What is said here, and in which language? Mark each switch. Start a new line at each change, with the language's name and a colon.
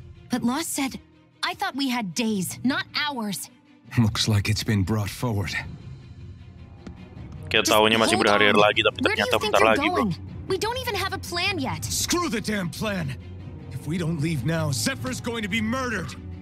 English: But Law said, I thought we had days, not hours. Looks like it's been brought forward.
Indonesian: Kita tahunya masih berhari-hari lagi, tapi ternyata bentar lagi, bro.
English: We don't even have a plan yet. Screw the damn plan. If we don't leave now, Zephyr's going to be murdered.